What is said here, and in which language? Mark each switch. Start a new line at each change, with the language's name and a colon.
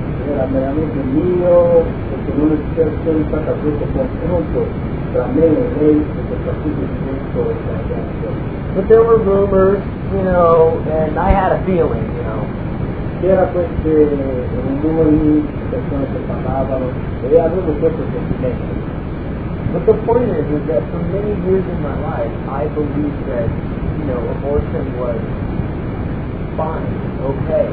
Italian: Era veramente mio, perché non c'è stato questo confronto tra me e lei, perché tra tutti i miei
English: But there were rumors, you know, and I had a feeling, you know.
Italian: C'era queste rumori, persone che parlavano, e avevo questo sentimento.
English: But the point is that for many years in my life, I believed that, you know, abortion was fine, okay.